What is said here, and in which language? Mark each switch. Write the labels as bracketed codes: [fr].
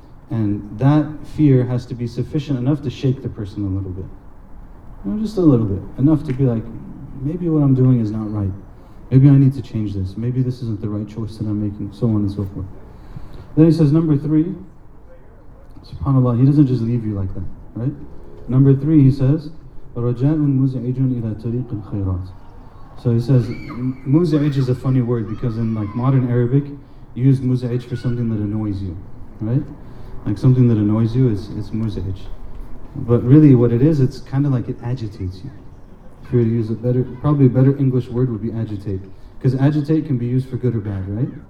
[en] And that fear has to be sufficient enough to shake the person a little bit. You know, just a little bit. Enough to be like, maybe what I'm doing is not right. Maybe I need to change this. Maybe this isn't the right choice that I'm making. So on and so forth. Then he says, number three. SubhanAllah, he doesn't just leave you like that, right? Number three, he says, [ar] رَجَاءٌ مُزْعِجٌ إِلَىٰ طَرِيقِ الْخَيْرَاتِ. [en] So he says, muz'ij is a funny word because in like modern Arabic, you use muz'ij for something that annoys you, right? Like something that annoys you, it's muz'ij. But really what it is, it's kind of like it agitates you. If you were to use probably a better English word would be agitate. Because agitate can be used for good or bad, right?